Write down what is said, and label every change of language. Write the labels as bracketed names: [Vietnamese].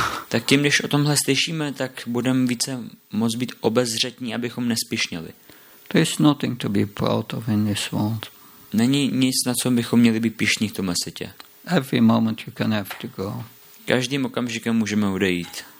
[Czech] Tak tím, když o tomhle slyšíme, tak budeme více moc být obezřetní, abychom nespišněli. [English] There is nothing to be proud of in this world. [Czech] Není nic, na co bychom měli být pyšní v tomhle světě. [English] Every moment you can have to go. [Czech] Každým okamžikem můžeme odejít.